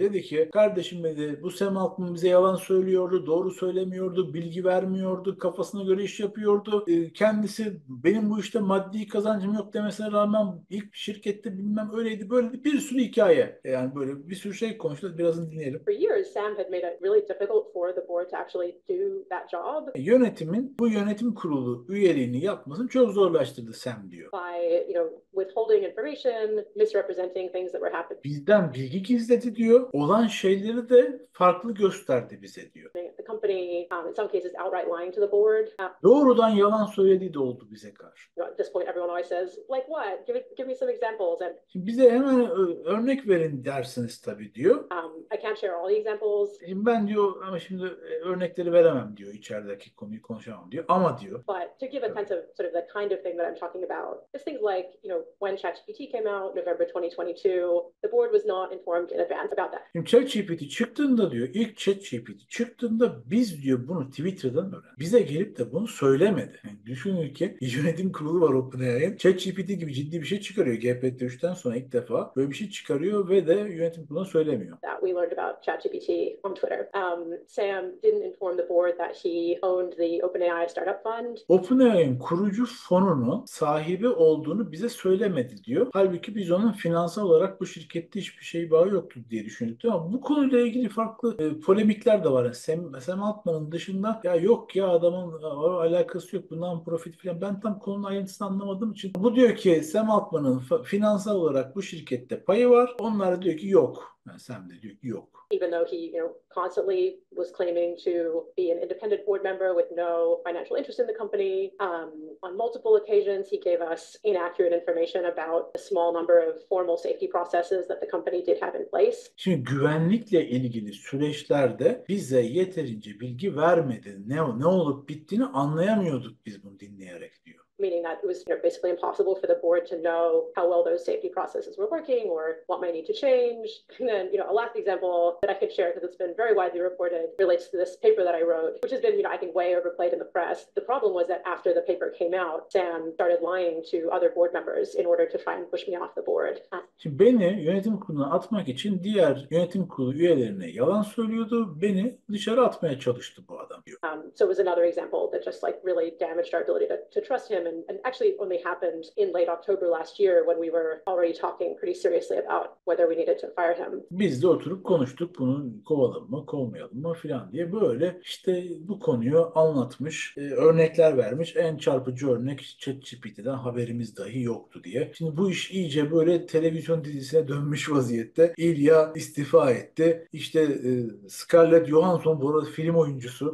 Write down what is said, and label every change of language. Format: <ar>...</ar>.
<tr>Dedi ki kardeşim dedi bu Sam Altman bize yalan söylüyordu. Doğru söylemiyordu. Bilgi vermiyordu. Kafasına göre iş yapıyordu. Kendisi benim bu işte maddi kazancım yok demesine rağmen ilk şirkette bilmem öyleydi. Böyle bir sürü hikaye. Yani böyle bir sürü şey konuştu. Birazını dinleyelim.</tr> <en>For years Sam had made it really difficult for the board to actually do that job.</en> <tr>Yönetimin bu yönetim kurulu üyeliğini yapmasını çok zorlaştırdı Sam diyor.</tr> <en>Withholding information, misrepresenting things that were happening.</en> <tr>Bizden bilgi gizledi diyor. Olan şeyleri de farklı gösterdi bize diyor.</tr> <en>The company, in some cases, outright lying to the board.</en> <tr>Doğrudan yalan söylediği de oldu bize karşı.</tr> <en>At this point, everyone always says, like what? Give me some examples. And</en> <tr>bize hemen örnek verin dersiniz tabii diyor.</tr> <en>I can't share all the examples.</en> <tr>Ben diyor ama şimdi örnekleri veremem diyor. İçerideki konuyu konuşamam diyor. Ama diyor.</tr> <en>But to give a sense of sort of the kind of thing that I'm talking about, it's things like, you know, when ChatGPT came out, November 2022, the board was not informed in advance about that.</en> <tr>Şimdi ChatGPT çıktığında diyor, ilk ChatGPT çıktığında biz diyor bunu Twitter'dan öğrendik. Bize gelip de bunu söylemedi. Yani düşünün ki yönetim kurulu var OpenAI'ın. ChatGPT gibi ciddi bir şey çıkarıyor. GPT-3'ten sonra ilk defa böyle bir şey çıkarıyor ve de yönetim kuruluna söylemiyor.</tr> <en>That we learned about ChatGPT on Twitter. Sam didn't inform the board that he owned the OpenAI startup fund.</en> <tr>OpenAI'ın kurucu fonunu sahibi olduğunu bize söylemedi diyor. Halbuki biz onun finansal olarak bu şirkette hiçbir şey bağı yoktu diye düşündük. Ama bu konuyla ilgili farklı polemikler de var. Sam Altman'ın dışında ya yok ya adamın alakası yok bundan profit falan. Ben tam konunun ayrıntısını anlamadığım için. Bu diyor ki Sam Altman'ın finansal olarak bu şirkette payı var. Onlar da diyor ki yok. Yani Sam de diyor ki yok.</tr> <en>Even though he, you know, constantly was claiming to be an independent board member with no financial interest in the company, on multiple occasions he gave us inaccurate information about a small number of formal safety processes that the company did have in place.</en> <tr>Şimdi güvenlikle ilgili süreçlerde bize yeterince bilgi vermedi. Ne olup bittiğini anlayamıyorduk biz bunu dinleyerek diyor.</tr> <en>Meaning that it was, you know, basically impossible for the board to know how well those safety processes were working or what might need to change. And then, you know, a last example that I could share because it's been very widely reported relates to this paper that I wrote, which has been, you know, I think way overplayed in the press. The problem was that after the paper came out, Sam started lying to other board members in order to try and push me off the board.</en> <tr>Şimdi beni yönetim kuruluna atmak için diğer yönetim kurulu üyelerine yalan söylüyordu. Beni dışarı atmaya çalıştı bu adam.</tr> <en>So it was another example that just like really damaged our ability to trust him. time, and actually only happened in late October last year when we were already talking pretty seriously about whether we needed to fire him.</en> <tr>Biz de oturup konuştuk bunu kovalım mı, kovmayalım mı filan diye böyle işte bu konuyu anlatmış, örnekler vermiş. En çarpıcı örnek ChatGPT'den haberimiz dahi yoktu diye. Şimdi bu iş iyice böyle televizyon dizisine dönmüş vaziyette. Ilya istifa etti. İşte Scarlett Johansson, bu arada film oyuncusu.</tr>